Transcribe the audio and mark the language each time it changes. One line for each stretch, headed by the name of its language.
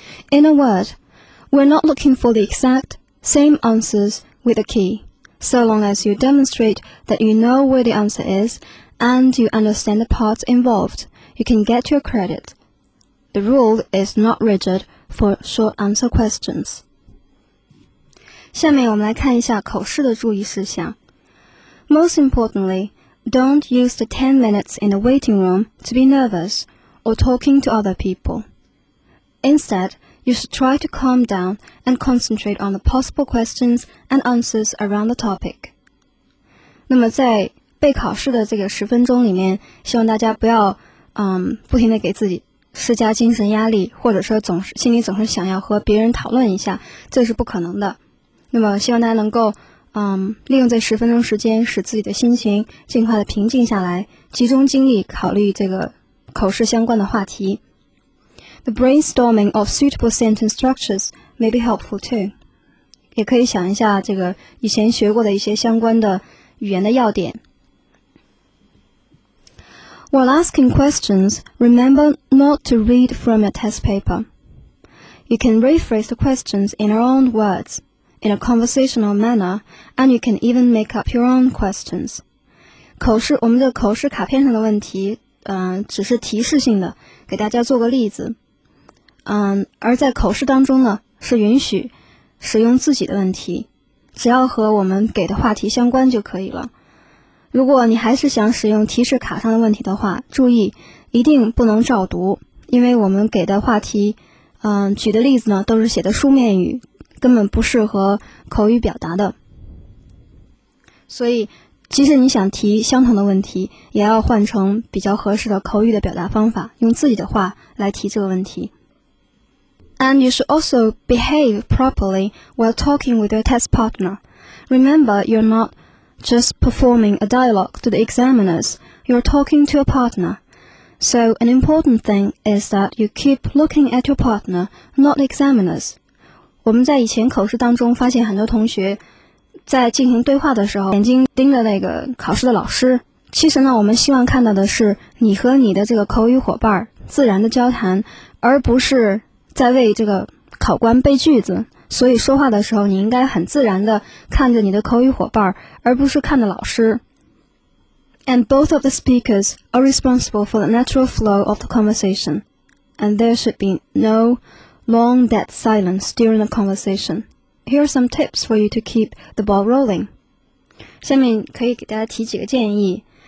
English: In a word, we're not looking for the exact same answers with a key, so long as you demonstrate that you know where the answer is and you understand the parts involved, you can get your credit. The rule is not rigid for short answer questions.
Chinese: 下面我们来看一下口试的注意事项。
English: Most importantly, don't use the 10 minutes in the waiting room to be nervous or talking to other people. Instead, you should try to calm down and concentrate on the possible questions and answers around the topic.
Chinese: 那么在备考试的这个十分钟里面，希望大家不要不停地给自己施加精神压力，或者说心里总是想要和别人讨论一下，这是不可能的。那么希望大家能够利用这十分钟时间，使自己的心情尽快的平静下来，集中精力考虑这个口试相关的话题。
English: The brainstorming of suitable sentence structures may be helpful too.
Chinese: 也可以想一下这个以前学过的一些相关的语言的要点。
English: While asking questions, remember not to read from your test paper. You can rephrase the questions in your own words, in a conversational manner, and you can even make up your own questions.
Chinese: 口试，我们的口试卡片上的问题，只是提示性的，给大家做个例子。而在口试当中呢，是允许使用自己的问题，只要和我们给的话题相关就可以了。如果你还是想使用提示卡上的问题的话，注意一定不能照读，因为我们给的话题举的例子呢都是写的书面语，根本不适合口语表达的。所以即使你想提相同的问题，也要换成比较合适的口语的表达方法，用自己的话来提这个问题。
English: And you should also behave properly while talking with your test partner. Remember, you're notjust performing a dialogue to the examiners, you're talking to a partner. So an important thing is that you keep looking at your partner, not examiners.
Chinese: 我们在以前考试当中发现很多同学在进行对话的时候眼睛盯着那个考试的老师。其实呢，我们希望看到的是你和你的这个口语伙伴自然的交谈，而不是在为这个考官背句子。所以说话的时候，你应该很自然地看着你的口语伙伴，而不是看着老师。
English: And both of the speakers are responsible for the natural flow of the conversation, and there should be no long dead silence during the conversation. Here are some tips for you to keep the ball rolling.
Chinese: 下面可以给大家提几个建议。